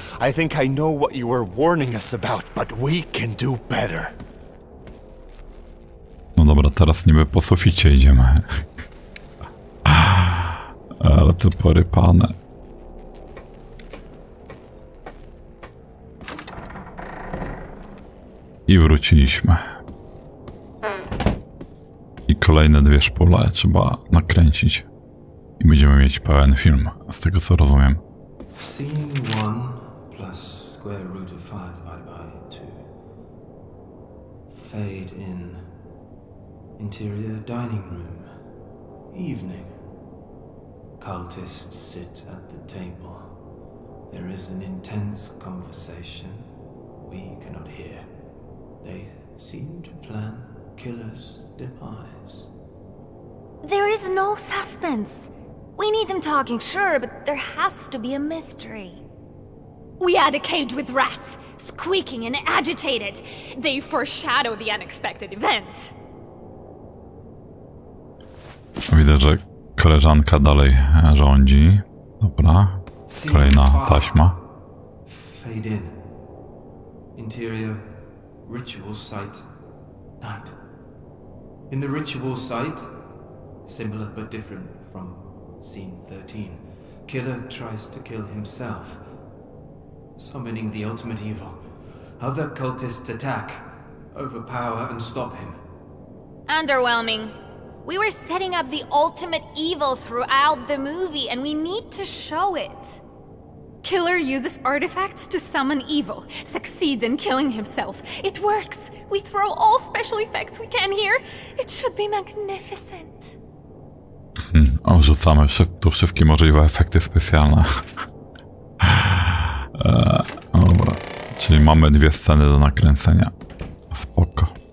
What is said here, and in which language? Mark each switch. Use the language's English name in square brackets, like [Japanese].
[English] I think I know what you were warning us about, but we can do better. [Polish] No dobra, teraz niby po suficie idziemy. Ale to porypane. I wróciliśmy. I kolejne dwie szpule trzeba nakręcić. I będziemy mieć pełen film, z tego co rozumiem. [English] Scene 1 plus square root of 5 divided by 2. Fade in. Interior dining room. Evening. Cultists sit at the table. There is an intense conversation we cannot hear. They seem to plan killer's demise. There is no suspense. We need them talking, sure, but there has to be a mystery. We had a cage with rats, squeaking and agitated. They foreshadow the unexpected event. [Polish] Widzę, że koleżanka dalej rządzi. Dobra. Kolejna taśma. [English] Fade in. Interior. Ritual site. Night. In the ritual site, similar but different from scene 13, killer tries to kill himself, summoning the ultimate evil. Other cultists attack, overpower and stop him. Underwhelming. We were setting up the ultimate evil throughout the movie and we need to show it. Killer uses artifacts to summon evil, succeeds in killing himself. It works. We throw all special effects we can here. It should be magnificent. [Polish] Wrzucamy tu wszystkie możliwe efekty specjalne. Dobra. Czyli mamy dwie sceny do nakręcenia. Spoko.